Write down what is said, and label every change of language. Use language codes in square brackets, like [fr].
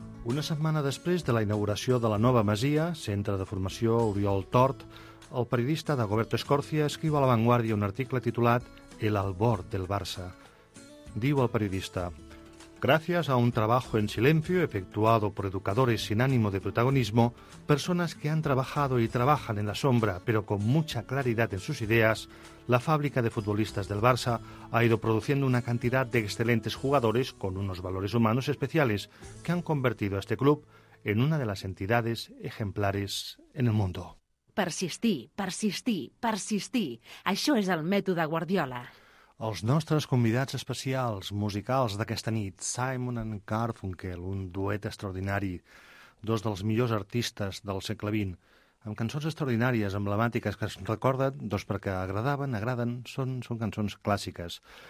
[ca] Una setmana després de la inauguració de la nova masia, centre de formació Oriol Tort, el periodista Dagoberto Escorcia escriu a La Vanguardia un article titulat El albor del Barça. Diu el periodista: [es] gracias a un trabajo en silencio efectuado por educadores sin ánimo de protagonismo, personas que han trabajado y trabajan en la sombra, pero con mucha claridad en sus ideas, la fábrica de futbolistas del Barça ha ido produciendo una cantidad de excelentes jugadores con unos valores humanos especiales que han convertido a este club en una de las entidades ejemplares en el mundo. [ca] Persistir, persistir, persistir. Això és el mètode Guardiola. Els nostres convidats especials musicals d'aquesta nit, Simon and Garfunkel, un duet extraordinari, dos dels millors artistes del segle XX, amb cançons extraordinàries, emblemàtiques, que es recorden, doncs perquè agradaven, agraden, són cançons clàssiques.